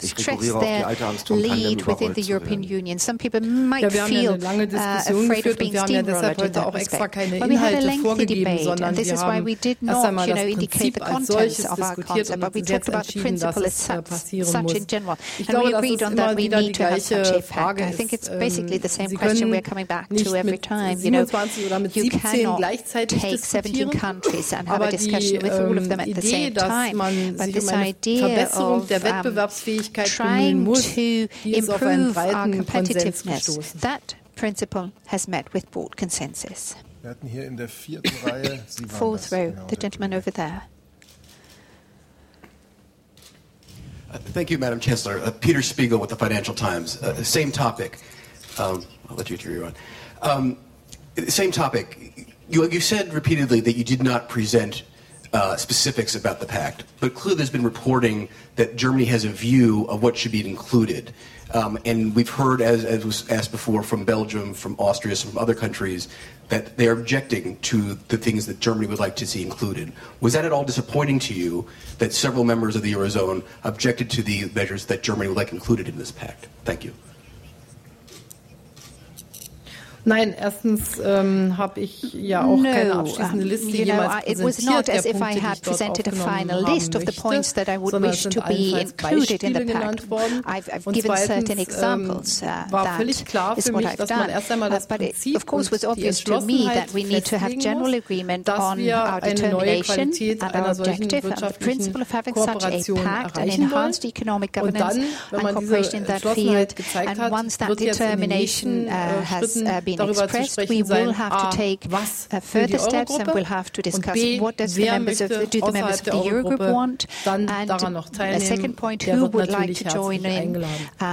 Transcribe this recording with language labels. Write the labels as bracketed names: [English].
[German] Ich rekurriere auf die alte Amtskampagne, um über euch zu hören. Ja, wir haben ja eine lange Diskussion geführt und wir haben ja deshalb heute auch extra keine Inhalte vorgegeben, sondern wir haben erst einmal das Prinzip als solches diskutiert und uns jetzt entschieden, dass es passieren muss. Ich glaube, dass immer wieder die gleiche Frage ist. [English] I think it's basically the same question we're coming back to every time. You know, you cannot take 17 countries and have a discussion with all of them at the same time. But this idea of trying to improve our competitiveness, that principle has met with broad consensus. [German] Wir hatten hier in der vierten Reihe, Sie waren [English] fourth row, the gentleman over there. Thank you, Madam Chancellor. Peter Spiegel with the Financial Times. Same topic. I'll let you turn your own. Same topic. You said repeatedly that you did not present specifics about the pact, but clearly there's been reporting that Germany has a view of what should be included. And we've heard, as was asked before, from Belgium, from Austria, some other countries, that they are objecting to the things that Germany would like to see included. Was that at all disappointing to you that several members of the Eurozone objected to the measures that Germany would like included in this pact? Thank you. [German] Nein, erstens habe ich ja auch keine abschließende Liste jemals präsentiert. [English] It was not as if I had presented a final list of the points that I would wish to be included in the pact. I've given certain examples. [German] War völlig klar für mich, dass man erst einmal das Prinzip und die Entschlossenheit festlegen muss, dass wir eine neue Qualität einer solchen wirtschaftlichen Kooperation erreichen wollen. Und dann, wenn man diese Entschlossenheit gezeigt hat, wird jetzt in den nächsten Schritten darüber zu sprechen sein, was für die Eurogruppe und wer möchte außerhalb der Eurogruppe dann daran noch teilnehmen, der wird natürlich herzlich eingeladen.